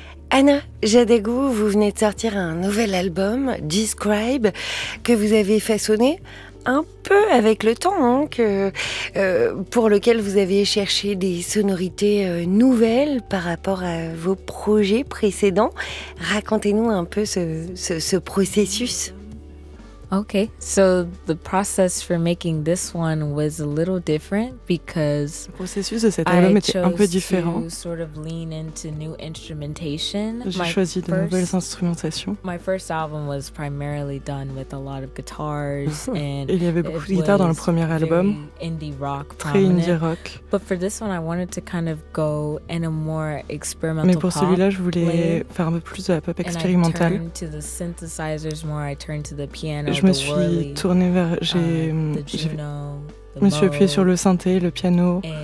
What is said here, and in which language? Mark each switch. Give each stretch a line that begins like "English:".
French: Anna Jadagou, vous venez de sortir un nouvel album, Describe, que vous avez façonné un peu avec le temps, hein, pour lequel vous avez cherché des sonorités nouvelles par rapport à vos projets précédents. Racontez-nous un peu ce processus.
English: Okay, so the process for making this one was a little different because
French: le processus de cet album était un peu différent.
English: Sort of lean into new instrumentation.
French: J'ai choisi de nouvelles instrumentations.
English: My first album was primarily done with a lot of guitars and
French: il y avait beaucoup de guitares dans le premier album.
English: Indie rock,
French: très indie rock.
English: But for this one, I wanted to kind of go in a more experimental.
French: Mais pour celui-là, je voulais faire un peu plus de la pop expérimentale.
English: And I turned to the synthesizers more. I turned to the piano.
French: Je me suis tournée vers. Je me suis appuyée sur le synthé, le piano.